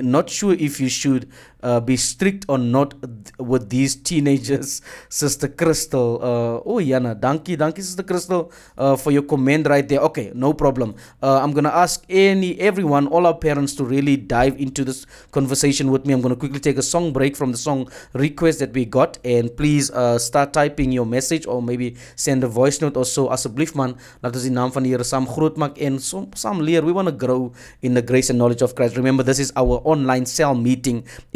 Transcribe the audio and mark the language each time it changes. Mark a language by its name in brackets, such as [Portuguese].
[English] Not sure if you should be strict or not with these teenagers, Sister Crystal. Yana. Danki, Sister Crystal, for your comment right there. Okay, no problem. I'm going to ask everyone, all our parents, to really dive into this conversation with me. I'm going to quickly take a song break from the song request that we got. And please start typing your message or maybe send a voice note or so. [Afrikaans] Asseblief, man, laat ons die naam van die Here saam groot maak. [English] And some [Afrikaans] leer, [English] we want to grow in the grace and knowledge of Christ. Remember, this is our online cell meeting.